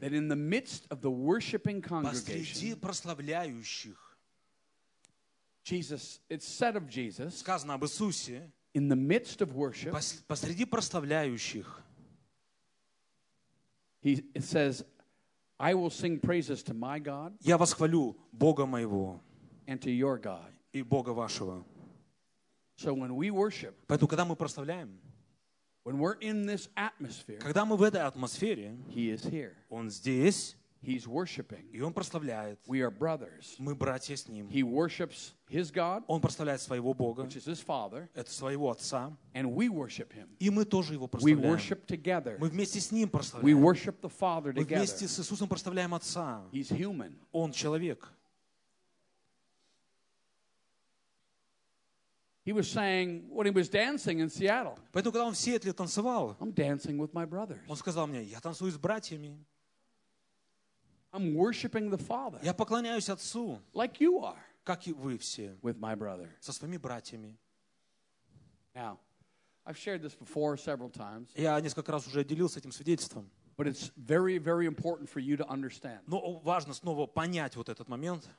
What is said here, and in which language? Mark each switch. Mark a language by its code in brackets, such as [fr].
[en] that in the midst of the worshiping congregation, [ru] посреди прославляющих, [en] Jesus, it's said of Jesus, [ru] сказано об Иисусе, [en] in the midst of worship, [ru] посреди прославляющих, [en] he it says, "I will sing praises to my God." [ru] Я восхвалю Бога моего. [en] And to your God. [ru] И Бога вашего. [en] So when we worship, [ru] поэтому когда мы прославляем, [en] when we're in this atmosphere, [ru] когда мы в этой атмосфере, [en] he is here. [ru] Он здесь. [en] He's worshiping. [ru] И он прославляет. [en] We are brothers. [ru] Мы братья с ним. [en] He worships his God. [ru] Он прославляет своего Бога. [en] Which is his Father. [ru] Это своего отца. [en] And we worship him. [ru] И мы тоже его прославляем. [en] We worship together. [ru] Мы вместе с ним прославляем. [en] We worship the Father together. [ru] Мы вместе с Иисусом прославляем отца. [en] He's human. [ru] Он человек. [en] He was saying when he was dancing in Seattle. [ru] Поэтому когда он в Сиэтле танцевал. [en] I'm dancing with my brothers. [ru] Он сказал мне: я танцую с братьями. [en] I'm worshiping the Father. [ru] Я поклоняюсь Отцу. [en] Like you are. [ru] Как и вы все. [en] With my brother. [ru] Со своими братьями. [en] Now, I've shared this before several times. [ru] Я несколько раз уже делился этим свидетельством. [en] But it's very, very important for you to understand. [ru] Но важно снова понять вот этот момент.